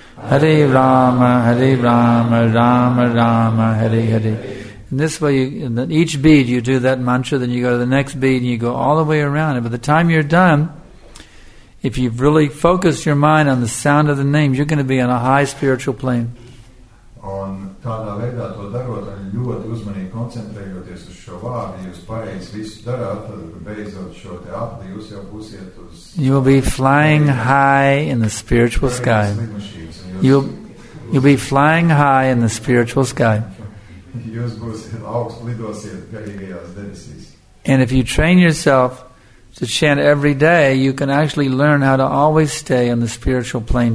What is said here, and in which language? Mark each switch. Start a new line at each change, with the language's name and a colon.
Sanskrit: Hare Rama, Hare Rama, Rama Rama, Hare Hare.
English: And this way, each bead you do that mantra, then you go to the next bead and you go all the way around. And by the time you're done, if you've really focused your mind on the sound of the name, you're going to be on a high spiritual plane.
Latvian: Un tādā veidā to darot un ļoti uzmanīgi koncentrējoties uz šo vārdu, jūs pareizi visu darāt, tad beidzot šo te apli, jūs jau būsiet uz...
English: You will be flying high in the spiritual sky. You'll, You'll be flying high in the spiritual sky. And if you train yourself to chant every day, you can actually learn how to always stay on the spiritual plane